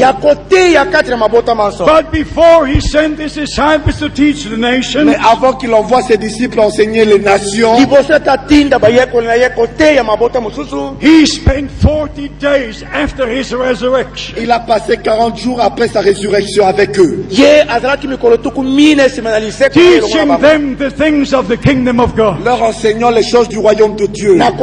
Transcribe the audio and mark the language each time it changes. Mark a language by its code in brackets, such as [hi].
[en] But before he sent his disciples to teach the nations. [fr] Mais avant qu'il envoie ses disciples enseigner les nations. [en] He spent 40 days after his resurrection. [fr] Il a passé 40 jours après sa résurrection avec eux. [en] Teaching them the things of the kingdom of God. [fr] Leur enseignant les choses du royaume de Dieu.